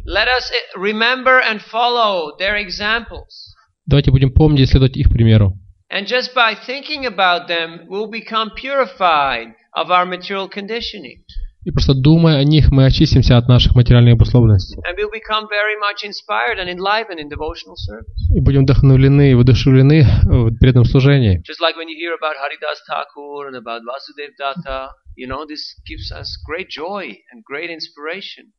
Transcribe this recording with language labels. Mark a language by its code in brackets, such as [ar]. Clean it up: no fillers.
[en] Let us remember and follow their examples. [ru] Давайте будем помнить и следовать их примеру. [en] And just by thinking about them, we'll become purified of our material conditioning. [ru] И просто думая о них, мы очистимся от наших материальных обусловленностей. [en] And we'll become very much inspired and enlivened in devotional service. [ru] И будем вдохновлены и воодушевлены в преданном служении. [en] Just like when you hear about Haridas Thakur and about Vasudev Datta, you know, this gives us great joy and great inspiration.